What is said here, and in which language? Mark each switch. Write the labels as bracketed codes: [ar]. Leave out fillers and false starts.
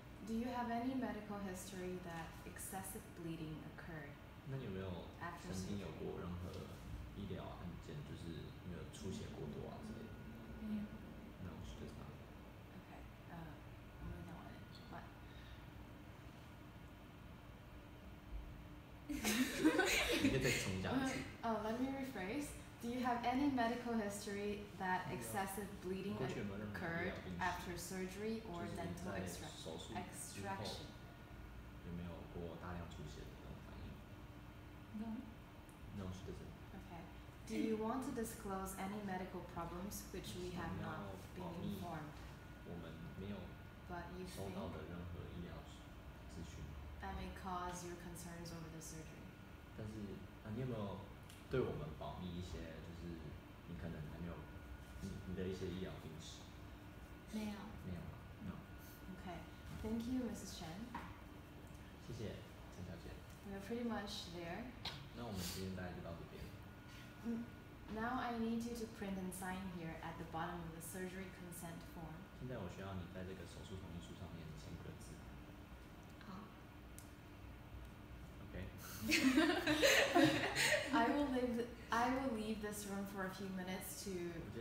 [en] Do you have any medical history that excessive bleeding occurred? [zh] 那有没有曾经有过任何医疗案件，就是有没有出血过多啊之类的？没有。 [en] No, she does not. Okay. I'm not one. What? You can take [zh] 重讲一次。 [en] Oh, let me rephrase. Do you have any medical history that excessive bleeding occurred after surgery or dental extraction? [zh] 有没有过大量出血的反应？ [en] No. No, she doesn't. Okay. Do you want to disclose any medical problems which we have not been informed? [zh] 我们没有收到的任何医疗资讯。 [en] That may cause your concerns over the surgery. [zh] 但是，啊，你有没有？对我们保密一些，就是你可能还没有 你的一些医疗病史。没有。没有吗 ？ [en] No. Okay. Thank you, Mrs. Chen. [zh] 谢谢陈小姐。 [en] We are pretty much there. [zh] 那我们今天大概就到这边。 [en] Now I need you to print and sign here at the bottom of the surgery consent form. [zh] 现在我需要你在这个手术同意书上面签个字。 [en] I will leave this room for a few minutes to the.